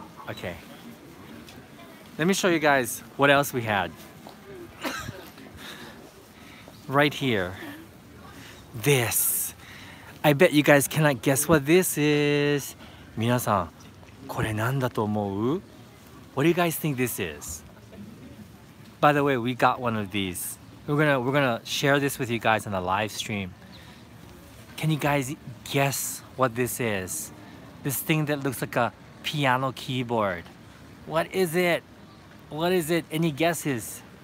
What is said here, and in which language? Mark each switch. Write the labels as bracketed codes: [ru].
[en] Okay. Let me show you guys what else we had. Right here. This. I bet you guys cannot guess what this is. [ja] 皆さん, これ何だと思う? [en] What do you guys think this is? By the way, we got one of these. We're gonna share this with you guys on a live stream. Can you guys guess what this is? This thing that looks like a piano keyboard. What is it? What is it? Any guesses?